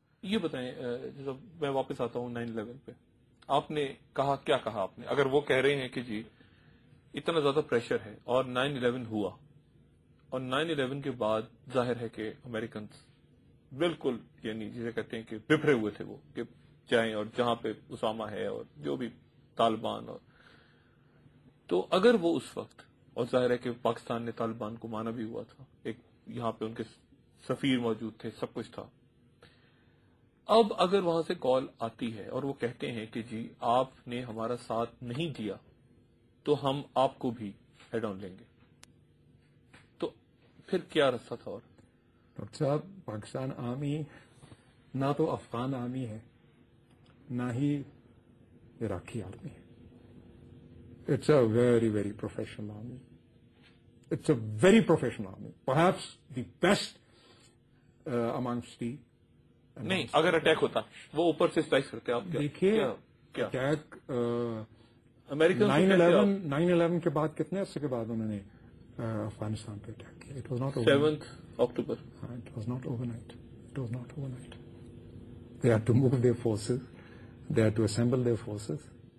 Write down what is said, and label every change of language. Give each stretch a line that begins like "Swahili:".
Urdu: یہ بتائیں, جب میں واپس آتا ہوں 9/11 پہ, آپ نے کہا کیا کہا آپ نے, اگر وہ کہہ رہے ہیں کہ جی اتنا زیادہ پریشر ہے اور 9/11 ہوا اور 9/11 کے بعد ظاہر ہے کہ امریکنز بالکل, یعنی جسے کہتے ہیں کہ بکھرے ہوئے تھے وہ, کہ جائیں اور جہاں پہ اسامہ ہے اور جو بھی طالبان, اور تو اگر وہ اس وقت, اور ظاہر ہے کہ پاکستان نے طالبان کو مانا بھی ہوا تھا, ایک یہاں پہ ان کے سفیر موجود تھے, سب کچھ تھا, اب اگر وہاں سے کال آتی ہے اور وہ کہتے ہیں کہ جی آپ نے ہمارا ساتھ نہیں دیا تو ہم آپ کو بھی ہیڈ آن لیں گے, تو پھر کیا رستہ تھا؟ اور ڈاکٹر صاحب, پاکستان آرمی نہ تو افغان آرمی ہے نہ ہی عراقی آرمی ہے,
English: It's a very very professional army, it's a very professional army, perhaps the best amongst the.
Urdu: نہیں, اگر اٹیک ہوتا وہ اوپر سے اسٹرائک کرتے آپ دیکھیے, اٹیک
English: American
Urdu: 9/11 کے بعد کتنے عرصے کے بعد انہوں نے افغانستان پہ اٹیک کیا,
English: it was not
Urdu: 7 October,
English: It was not over night, it was not over night, they had to move their forces, they had to assemble their forces.